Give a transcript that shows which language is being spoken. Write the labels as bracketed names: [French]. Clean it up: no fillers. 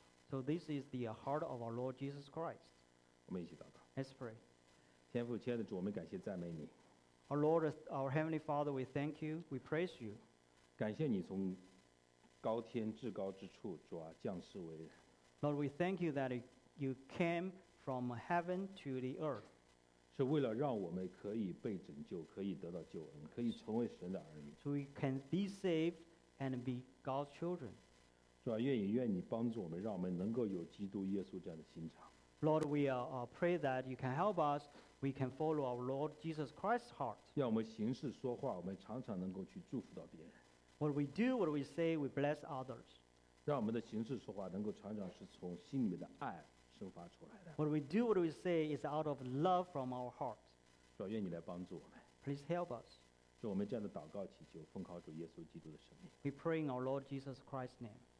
[English] So this is the heart of our Lord Jesus Christ. Let's pray. [Chinese] 天父，亲爱的主，我们感谢赞美你。 [English] Our Lord, our Heavenly Father, we thank you, we praise you. [Chinese] 感谢你从高天至高之处，主啊，降世为人。 [English] Lord, we thank you that you came from heaven to the earth. [Chinese] 是为了让我们可以被拯救，可以得到救恩，可以成为神的儿女。 [English] So we can be saved and be God's children. [Chinese] 主啊，愿你帮助我们，让我们能够有基督耶稣这样的心肠。 [English] Lord, we pray that you can help us. We can follow our Lord Jesus Christ's heart. [Chinese] 让我们行事说话，我们常常能够去祝福到别人。 [English] What we do, what we say, we bless others. [Chinese] 让我们的行事说话能够常常是从心里面的爱生发出来的。 [English] What we do, what we say, is out of love from our heart. [Chinese] 主啊，愿你来帮助我们。 [English] Please help us. [Chinese] 主，我们这样的祷告祈求，奉靠主耶稣基督的圣名。 [English] We pray in our Lord Jesus Christ's name.